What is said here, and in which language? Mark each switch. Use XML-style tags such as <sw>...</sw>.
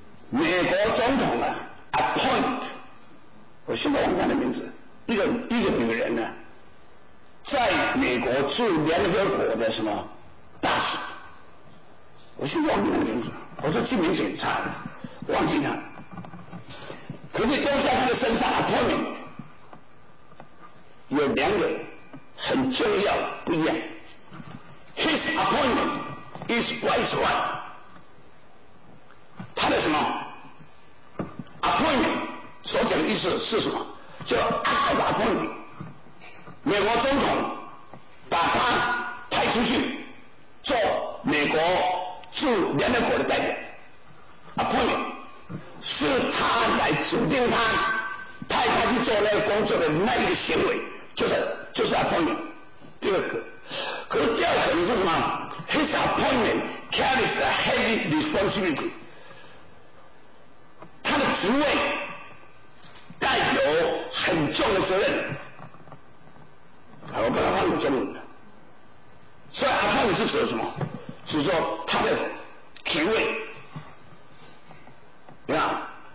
<zh>美国总统啊 ，appoint， 我现在忘他的名字，一个女人呢、啊，在美国驻联合国的什么大使，我现在忘记他的名字，我说记名字很差，忘记他，可是都在他的身上 appointment， 有两个很重要不一样。</zh> <en>His appointment is wise one。</en> <zh>他的什么 appointment 所讲的意思是什么？叫</zh> <en>act of appointment。</en> <zh>美国总统把他派出去做美国驻联合国的代表， appointment 是他来指定他派他去做那个工作的那一个行为，就是 appointment。第二个，可是第二个是什么？</zh> <en>His appointment carries a heavy responsibility。</en> <zh>他的职位带有很重的责任。我把他放在这里，所以 appointment 是指什么？是说他的职位，对吧？</zh>